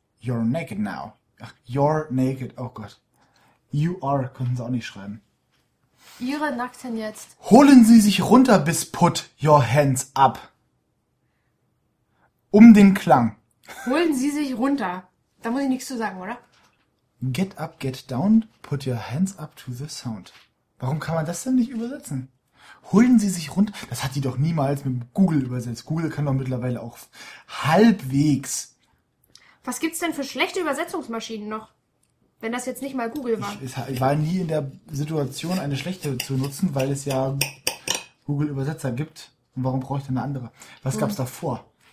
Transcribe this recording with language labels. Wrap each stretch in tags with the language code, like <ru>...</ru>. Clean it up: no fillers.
<en>You're naked now.</en> <de>Ach,</de> <en>you're naked.</en> <de>Oh Gott.</de> <en>You are,</en> <de>konnten sie auch nicht schreiben. Ihre Nackten jetzt. Holen sie sich runter bis</de> <en>put your hands up.</en> <de>Um den Klang. Holen sie sich runter. Da muss ich nichts zu sagen, oder?</de> <en>Get up, get down, put your hands up to the sound.</en> <de>Warum kann man das denn nicht übersetzen? Holen sie sich runter. Das hat die doch niemals mit Google übersetzt. Google kann doch mittlerweile auch halbwegs. Was gibt's denn für schlechte Übersetzungsmaschinen noch? Wenn das jetzt nicht mal Google war. Ich war nie in der Situation, eine schlechte zu nutzen, weil es ja Google-Übersetzer gibt. Und warum brauche ich denn eine andere? Was gab's davor?</de>